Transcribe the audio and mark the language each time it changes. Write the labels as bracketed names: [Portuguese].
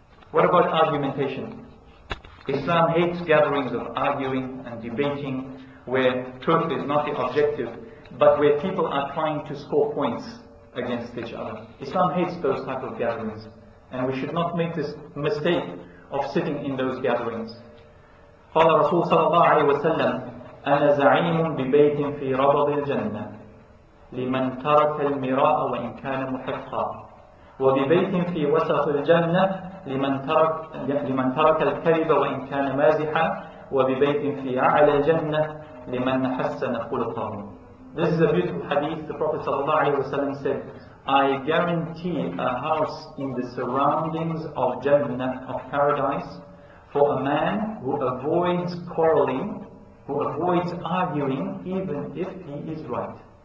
[English] What about argumentation? Islam hates gatherings of arguing and debating where truth is not the objective, but where people are trying to score points against each other. Islam hates those type of gatherings, and we should not make this mistake of sitting in those gatherings. [Arabic] قال رسول صلى الله عليه وسلم أنا زعيم ببيت في ربض الجنة لمن ترك المراء وإن كان محقا وببيت في وسط الجنة لمن ترك الكذب وإن كان مازحا وببيت في أعلى الجنة لمن حسن خلقه. [English] This is a beautiful hadith. The Prophet صلى الله عليه وسلم said, I guarantee a house in the surroundings of Jannah, of paradise, for a man who avoids quarreling, who avoids arguing, even if he is right.